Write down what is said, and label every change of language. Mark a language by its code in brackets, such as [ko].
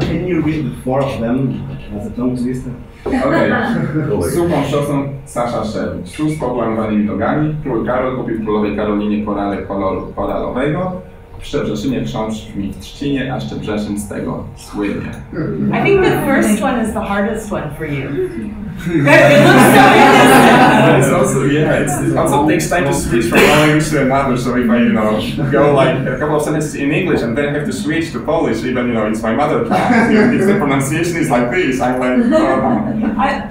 [en] Can you read the four of them as a tongue twister? Okay. [pl] Słucham szosą Sasza Szewicz. Szósz pokłam wanymi nogami. Król Karol kupił królowej Karolinie korale koloru koralowego. W Szczebrzeszynie chrząszcz brzmi w trzcinie, a Szczebrzeszyn z tego słynie. [en] I think the first one is the hardest one for you. It looks so innocent. It also takes time to switch from one language to another. So if I, you know, go like a couple of sentences in English and then have to switch to Polish, even, you know, it's my mother tongue. If the pronunciation is like this, I'm like,